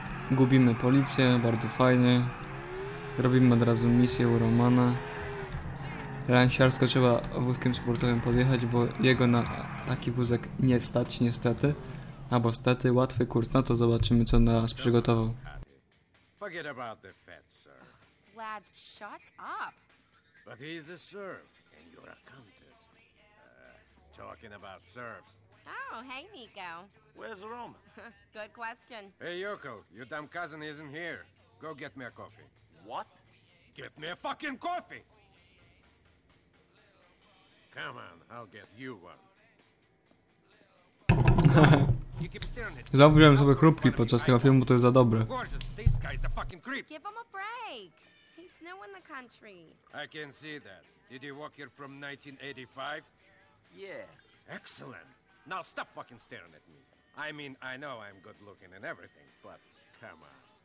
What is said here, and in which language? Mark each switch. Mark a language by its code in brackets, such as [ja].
[pl] Gubimy policję, bardzo fajnie. Robimy od razu misję u Romana. Lansiarsko trzeba wózkiem sportowym podjechać, bo jego na taki wózek nie stać niestety. Albo stety, łatwy kurt, no to zobaczymy co on nas przygotował. [en] Forget about the fat, sir. Vlad, shut up. But he's a serf, and you're a countess. Talking about serfs. Oh, hey, Nico. Where's Roman? Good question. Hey, Yoko, your damn cousin isn't here. Go get me a coffee. What? Get me a fucking coffee! Come on, I'll get you one. [pl] Zamówiłem sobie chrupki podczas tego filmu, bo to jest za dobre. [en] This guy's a fucking creep. Give him a break. He's new in the country. I can see that. Did he walk here from 1985? Yeah. Excellent. Now stop fucking staring at me. I mean, I know I'm good looking and everything, but come on.